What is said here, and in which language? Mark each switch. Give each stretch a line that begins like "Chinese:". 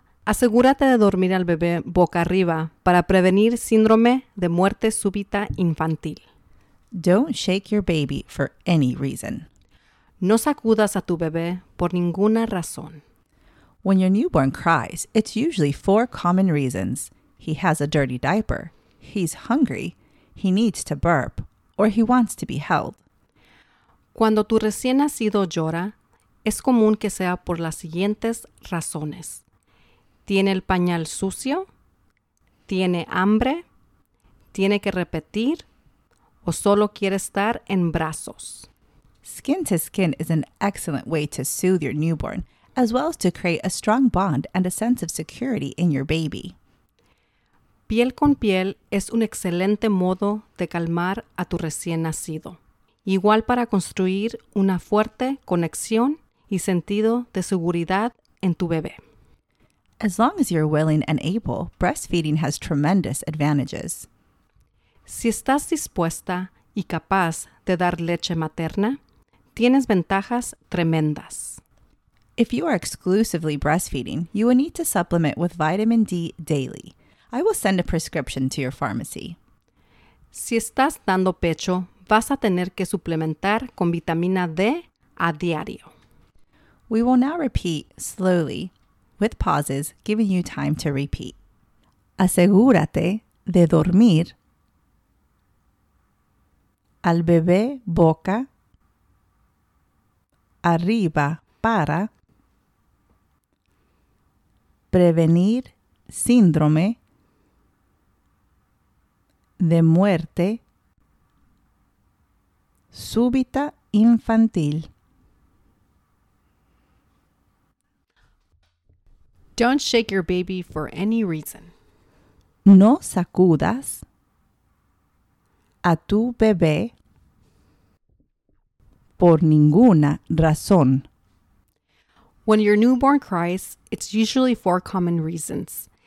Spanish: Asegúrate de dormir al bebé boca arriba para prevenir síndrome de muerte súbita infantil.
English: Don't shake your baby for any reason.
Spanish: No sacudas a tu bebé por ninguna razón.
English: When your newborn cries, it's usually four common reasons. He has a dirty diaper, he's hungry, he needs to burp, or he wants to be held.
Spanish: Cuando tu recién nacido llora, es común que sea por las siguientes razones. Tiene el pañal sucio, tiene hambre, tiene que repetir, o solo quiere estar en brazos.
English: Skin to skin is an excellent way to soothe your newborn, as well as to create a strong bond and a sense of security in your baby.
Spanish: Piel con piel es un excelente modo de calmar a tu recién nacido, igual para construir una fuerte conexión y sentido de seguridad en tu bebé.
English: As long as you're willing and able, breastfeeding has tremendous advantages.
Spanish: Si estás dispuesta y capaz de dar leche materna, tienes ventajas tremendas.
English: If you are exclusively breastfeeding, you will need to supplement with vitamin D daily. I will send a prescription to your pharmacy.
Spanish: Si estás dando pecho, vas a tener que suplementar con vitamina D a diario.
English: We will now repeat slowly, with pauses, giving you time to repeat.
Spanish: Asegúrate de dormir al bebé boca arriba para prevenir síndrome de muerte súbita infantil.
English: Don't shake your baby for any reason.
Spanish: No sacudas a tu bebé por ninguna razón.
English: When your newborn cries, it's usually four common reasons.